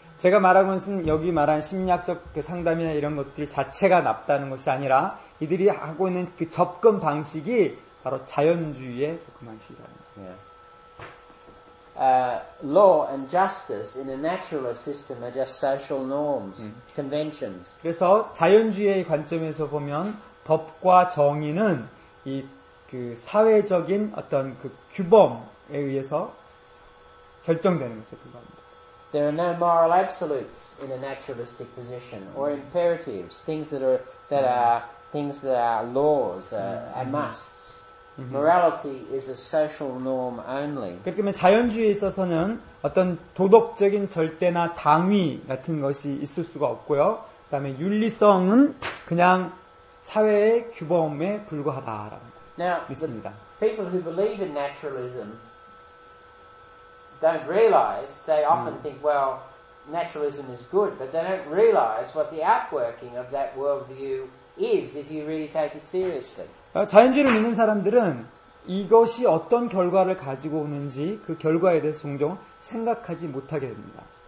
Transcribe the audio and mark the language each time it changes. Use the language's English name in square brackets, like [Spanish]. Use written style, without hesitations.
[Korean] 제가 말하는 것은 여기 말한 심리학적 그 상담이나 이런 것들 자체가 나쁘다는 것이 아니라 이들이 하고 있는 그 접근 방식이 바로 자연주의의 접근 방식이라는 거예요. [English] law and justice in a naturalist system are just social norms, conventions. [Korean] 그래서 자연주의의 관점에서 보면 법과 정의는 이 그 사회적인 어떤 그 규범에 의해서 결정되는 것에 불과합니다. [English] There are no moral absolutes in a naturalistic position or imperatives, things that are things that are laws and musts. Morality is a social norm only. [Korean] 그렇기 때문에 자연주의에 있어서는 어떤 도덕적인 절대나 당위 같은 것이 있을 수가 없고요. 그다음에 윤리성은 그냥 사회의 규범에 불과하다라는 믿습니다. [English] People who believe in naturalism don't realize, they often think, well, naturalism is good, but they don't realize what the outworking of that worldview is if you really take it seriously. [Korean] 자연주의를 믿는 사람들은 이것이 어떤 결과를 가지고 오는지 그 결과에 대해서 종종 생각하지 못하게 됩니다.